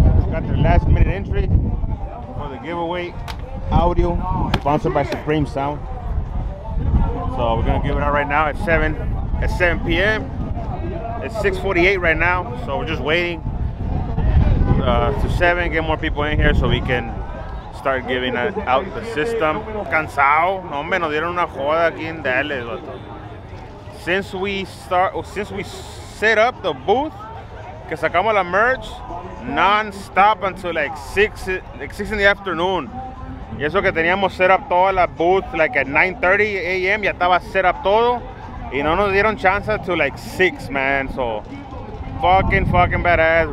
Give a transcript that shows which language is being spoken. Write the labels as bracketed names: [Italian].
[English] Got their last minute entry for the giveaway. Audio, sponsored by Supreme Sound. So we're gonna give it out right now at 7 p.m. It's 6:48 right now, so we're just waiting. To 7, get more people in here so we can start giving out the system. [Spanish] Cansado, no hombre, nos dieron una joda aquí en Dallas, bato. [English] Since we set up the booth, [Spanish] que sacamos la merch, [English] non-stop until like 6 in the afternoon. [Spanish] Y eso que teníamos set up toda la booth, [English] like at 9:30 a.m., [Spanish] ya estaba set up todo. Y no nos dieron chance [English] to like 6, man, so. Fucking badass.